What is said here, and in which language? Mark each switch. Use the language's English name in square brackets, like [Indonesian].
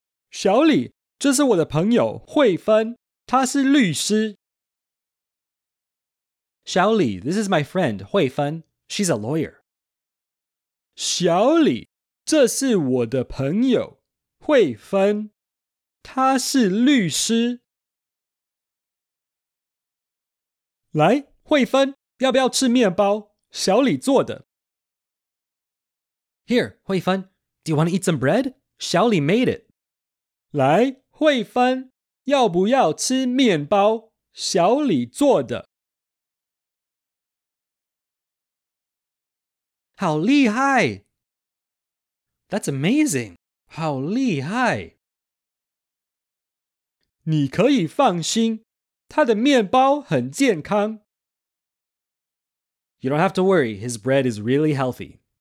[Chinese] 小李，这是我的朋友慧芬，她是律师。 [English] Xiao Li, this is my friend, Hui Fen. She's a lawyer. [Chinese] Xiao Li, 这是我的朋友, Hui Fen. 她是律师。来,慧芬,要不要吃面包?小李做的。 [English] Here, Hui Fen, do you want to eat some bread? Xiao Li made it. [Chinese] 来,慧芬,要不要吃面包? 小李做的。好厉害! [English] That's amazing! 好厉害! [Chinese] 你可以放心,他的面包很健康。 [English] You don't have to worry, his bread is really healthy.